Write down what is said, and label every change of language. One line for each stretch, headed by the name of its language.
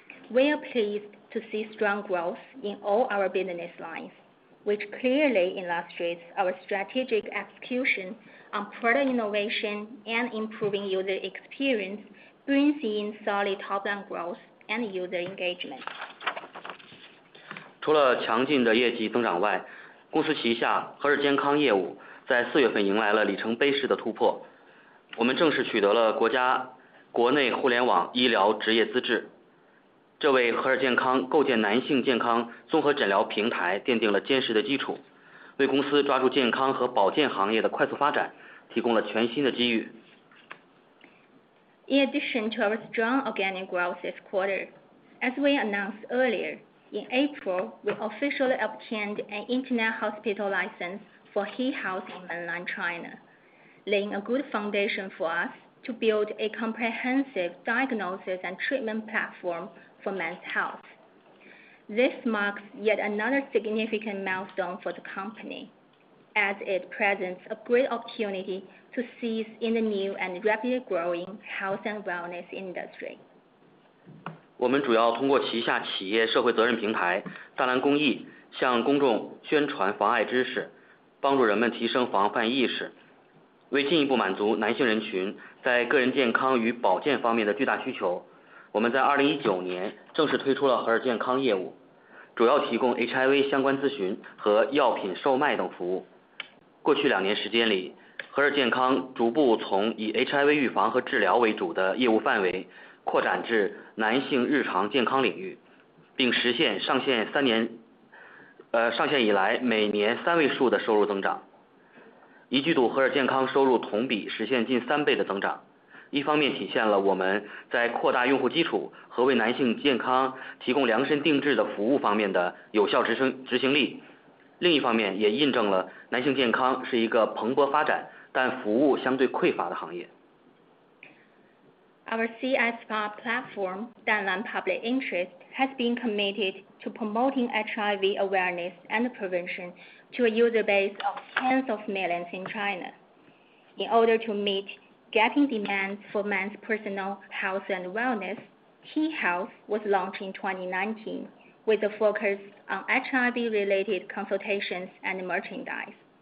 English: We are pleased to see strong growth in all our business lines, which clearly illustrates our strategic execution on product innovation and improving user experience brings in solid top-line growth and user engagement.
Chinese: 除了强劲的业绩增长外，公司旗下和日健康业务在四月份迎来了里程碑式的突破。我们正式取得了国内互联网医疗执业资质，这为和日健康构建男性健康综合诊疗平台奠定了坚实的基础，为公司抓住健康和保健行业的快速发展提供了全新的机遇。
English: In addition to our strong organic growth this quarter, as we announced earlier, in April, we officially obtained an internet hospital license for He House in mainland China, laying a good foundation for us to build a comprehensive diagnosis and treatment platform for men's health. This marks yet another significant milestone for the company, as it presents a great opportunity to seize in the new and rapidly growing health and wellness industry.
Chinese: 我们主要通过旗下企业社会责任平台大蓝公益，向公众宣传防癌知识，帮助人们提升防范意识，为进一步满足男性人群在个人健康与保健方面的巨大需求，我们在2019年正式推出了和日健康业务，主要提供 HIV 相关咨询和药品售卖等服务。过去两年时间里，和日健康逐步从以 HIV 预防和治疗为主的业务范围扩展至男性日常健康领域，并实现上线以来每年三位数的收入增长。一季度和日健康收入同比实现近三倍的增长，一方面体现了我们在扩大用户基础和为男性健康提供量身定制的服务方面的有效执行力，另一方面也印证了男性健康是一个蓬勃发展但服务相对匮乏的行业。
English: Our CSPA platform, Danlan Public Interest, has been committed to promoting HIV awareness and prevention to a user base of tens of millions in China. In order to meet getting demands for men's personal health and wellness, He Health was launched in 2019 with a focus on HIV-related consultations and merchandise.